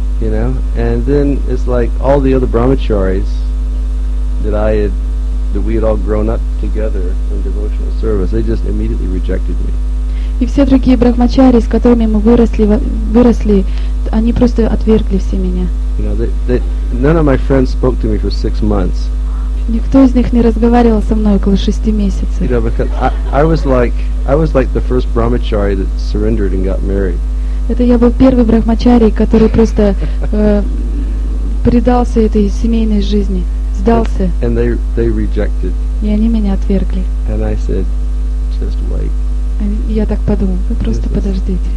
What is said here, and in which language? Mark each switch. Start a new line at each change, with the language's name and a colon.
English: You know, and then it's like all the other brahmacharis that we had all grown up together in devotional service, they just immediately rejected me.
Russian: И все другие брахмачари, с которыми мы выросли, они просто отвергли все меня.
English: You know, none of my friends spoke to me for 6 months.
Russian: Никто из них не разговаривал со мной около 6 месяцев.
English: You know, because I was like the first brahmachari that surrendered and got married.
Russian: Это я был первый брахмачари, который просто предался этой семейной жизни, сдался.
English: And they rejected.
Russian: И они меня отвергли.
English: And I said, just wait.
Russian: Я так подумал, вы просто подождите.